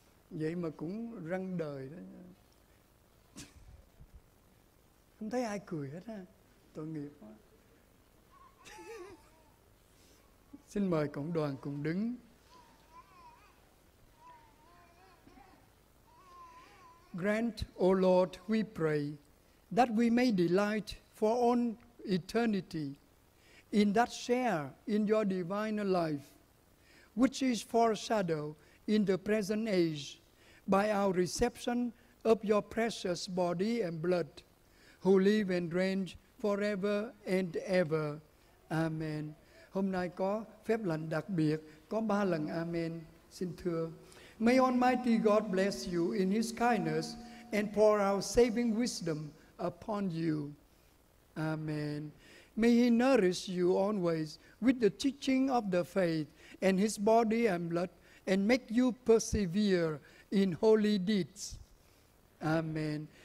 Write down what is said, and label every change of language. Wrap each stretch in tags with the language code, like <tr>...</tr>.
<vi>Vậy mà cũng răng đời đó. Không thấy ai cười hết ha. Tội nghiệp quá. Xin mời cộng đoàn cùng đứng.</vi> <en>Grant, O Lord, we pray, that we may delight for all eternity in that share in your divine life, which is foreshadowed in the present age by our reception of your precious body and blood, who live and reign forever and ever. Amen.</en> <vi>Hôm nay có phép lành đặc biệt, có ba lần Amen. Xin thưa.</vi> <en>May Almighty God bless you in His kindness and pour out saving wisdom upon you. Amen. May He nourish you always with the teaching of the faith and His body and blood and make you persevere in holy deeds. Amen.</en>